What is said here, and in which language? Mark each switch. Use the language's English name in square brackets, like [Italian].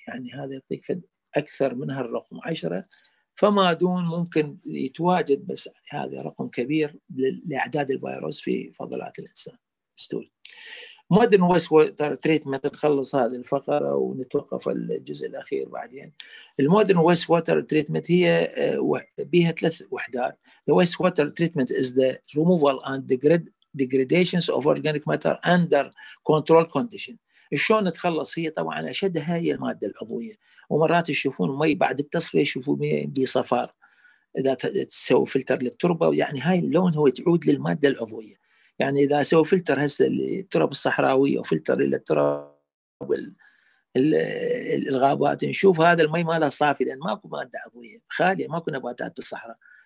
[Arabic] يعني هذا يعطيك أكثر من هالرقم 10 فما دون ممكن يتواجد بس هذا رقم كبير لأعداد الفيروس في فضلات الإنسان ستول. [English] Modern wastewater treatment [Arabic] نخلص هذه الفقرة ونتوقف الجزء الأخير بعدين. [English] Modern wastewater treatment [Arabic] هي بها ثلاث وحدات. [English] The wastewater treatment is the removal and degradation of organic matter under controlled condition. [Arabic] شلون نتخلص هي طبعا أشدها هي المادة العضوية ومرات يشوفون مي بعد التصفية يشوفون مي بصفار إذا تسوي فلتر للتربة يعني هاي اللون هو تعود للمادة العضوية. يعني إذا سوي فلتر هسه للتراب الصحراوي أو فلتر للتراب الغابات نشوف هذا المي ماله صافي لأن ماكو مادة عضوية خالية ماكو نباتات بالصحراء.